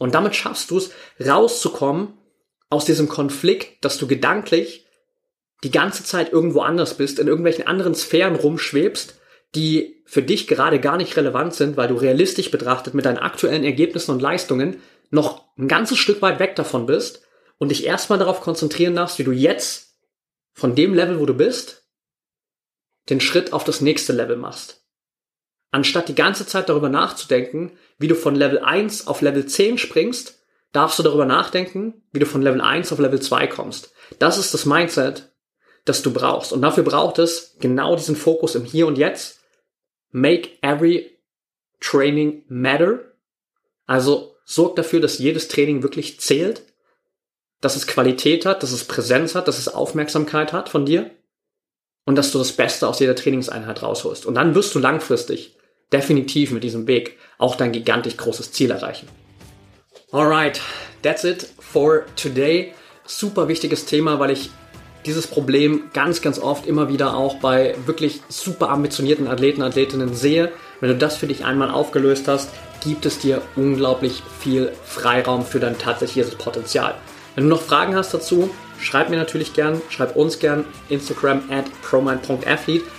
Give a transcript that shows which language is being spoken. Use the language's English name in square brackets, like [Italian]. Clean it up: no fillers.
[German] Und damit schaffst du es, rauszukommen aus diesem Konflikt, dass du gedanklich die ganze Zeit irgendwo anders bist, in irgendwelchen anderen Sphären rumschwebst, die für dich gerade gar nicht relevant sind, weil du realistisch betrachtet mit deinen aktuellen Ergebnissen und Leistungen noch ein ganzes Stück weit weg davon bist und dich erstmal darauf konzentrieren darfst, wie du jetzt von dem Level, wo du bist, den Schritt auf das nächste Level machst. Anstatt die ganze Zeit darüber nachzudenken, wie du von Level 1 auf Level 10 springst, darfst du darüber nachdenken, wie du von Level 1 auf Level 2 kommst. Das ist das Mindset, das du brauchst. Und dafür braucht es genau diesen Fokus im Hier und Jetzt. [English] Make every training matter. [German] Also sorg dafür, dass jedes Training wirklich zählt, dass es Qualität hat, dass es Präsenz hat, dass es Aufmerksamkeit hat von dir und dass du das Beste aus jeder Trainingseinheit rausholst. Und dann wirst du langfristig definitiv mit diesem Weg auch dein gigantisch großes Ziel erreichen. [English] Alright, that's it for today. [German] Super wichtiges Thema, weil ich dieses Problem ganz, ganz oft immer wieder auch bei wirklich super ambitionierten Athleten, Athletinnen sehe. Wenn du das für dich einmal aufgelöst hast, gibt es dir unglaublich viel Freiraum für dein tatsächliches Potenzial. Wenn du noch Fragen hast dazu, schreib mir natürlich gern, schreib uns gern, Instagram at promind.athlete.